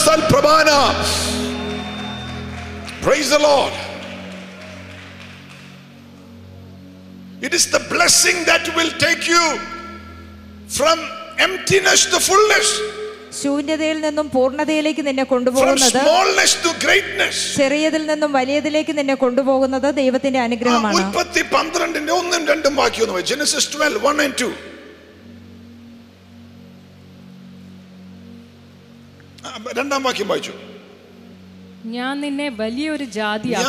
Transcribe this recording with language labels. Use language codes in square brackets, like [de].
[en] പ്രഭാന, praise the Lord. It is the blessing that will take you from emptiness to fullness, [ml] ശൂന്യതയിൽ നിന്നും പൂർണതയിലേക്ക് നിന്നെ കൊണ്ടുപോകുന്നത്, [en] from smallness to greatness, [ml] ചെറിയതിൽ നിന്നും വലിയതിലേക്ക് നിന്നെ കൊണ്ടുപോകുന്നത് ദൈവത്തിന്റെ അനുഗ്രഹമാണ്. ഉൽപ്പത്തി 12 ഒന്നും രണ്ടും വാക്യം ഒന്ന് വെച്ചു. [en] Genesis 12 1 and 2. [ml] രണ്ടാം വാക്യം വായിച്ചു. ഞാൻ നിന്നെ വലിയൊരു ജാതിയാക്കും.